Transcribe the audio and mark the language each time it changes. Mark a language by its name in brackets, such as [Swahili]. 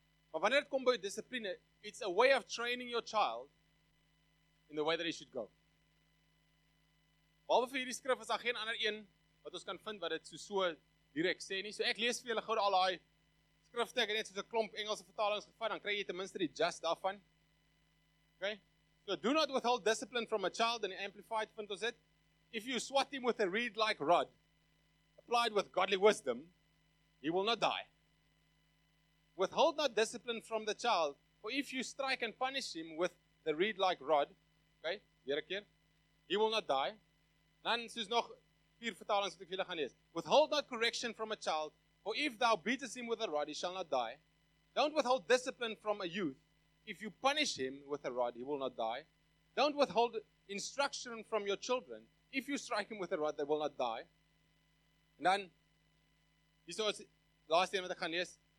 [Afrikaans] Maar wanneer het kom by [English] discipline, it's a way of training your child in the way that he should go. [Afrikaans] Behalve vir hierdie skrif is daar geen ander een wat ons kan vind wat dit so direk sê nie. So ek lees vir julle gou al daai skrifte, ek het net so 'n klomp Engelse vertalings gevat, dan kry jy ten minste die gist daarvan. [English] Okay? So do not withhold discipline from a child in the Amplified [Afrikaans] vind ons dit. [English] If you swat him with a reed like rod, applied with godly wisdom, he will not die. Withhold not discipline from the child, for if you strike and punish him with the reed like rod, okay, [Afrikaans] weer een keer, [English] he will not die. [Afrikaans] Dan soos nog vier vertalings wat ek vir julle gaan lees. [English] Withhold not correction from a child, for if thou beatest him with a rod, he shall not die. Don't withhold discipline from a youth. If you punish him with a rod, he will not die. Don't withhold instruction from your children. If you strike him with a rod, they will not die. And then, this is the last thing that I can [Afrikaans] lees.